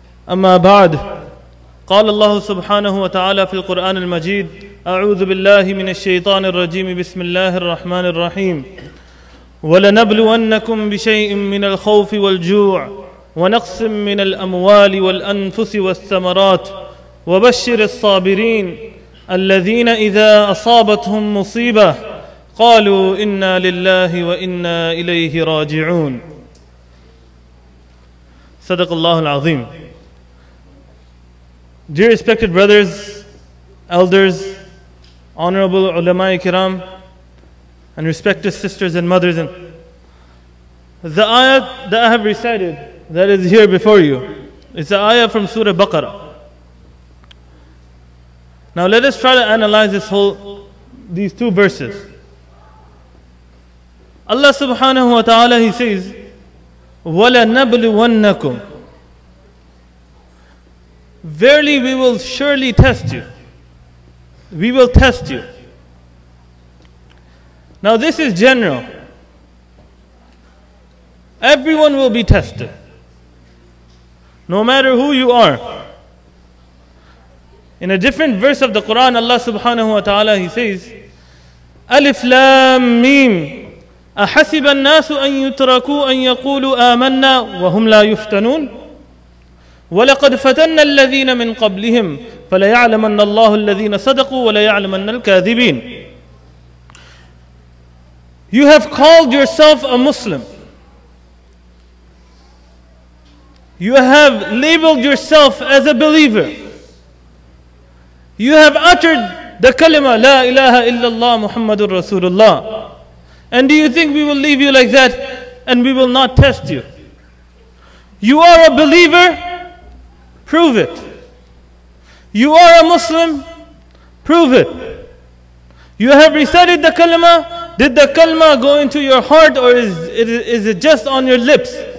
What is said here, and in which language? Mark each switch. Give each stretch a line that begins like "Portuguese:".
Arabic: أما بعد قال الله سبحانه وتعالى في القرآن المجيد أعوذ بالله من الشيطان الرجيم بسم الله الرحمن الرحيم ولنبلونكم بشيء من الخوف والجوع ونقص من الأموال والأنفس والثمرات وبشر الصابرين الذين إذا أصابتهم مصيبة قالوا إنا لله وإنا إليه راجعون صدق الله العظيم.
English: Dear respected brothers, elders, honorable ulama-i kiram, and respected sisters and mothers, and the ayah that I have recited that is here before you is the ayah from Surah Baqarah. Now let us try to analyze these two verses. Allah subhanahu wa ta'ala, He says,
Arabic: وَلَنَبْلُوَنَّكُمْ,
English: verily we will surely test you. We will test you. Now this is general. Everyone will be tested. No matter who you are. In a different verse of the Quran, Allah subhanahu wa ta'ala, He says, Alif Lam Mim,
Arabic: أَحَسِبَ النَّاسُ أَن يُتْرَكُوا أَن يَقُولُوا آمَنَّا وَهُمْ لَا يُفْتَنُونَ وَلَقَدْ فَتَنَّ الَّذِينَ مِنْ قَبْلِهِمْ فَلَيَعْلَمَنَّ اللَّهُ الَّذِينَ صَدَقُوا وَلَيَعْلَمَنَّ الْكَاذِبِينَ.
English: You have called yourself a Muslim. You have labeled yourself as a believer. You have uttered the kalima,
Arabic: لا إله إلا الله محمد رسول الله.
English: And do you think we will leave you like that and we will not test you? You are a believer? Prove it. You are a Muslim? Prove it. You have recited the kalima? Did the kalima go into your heart or is it just on your lips?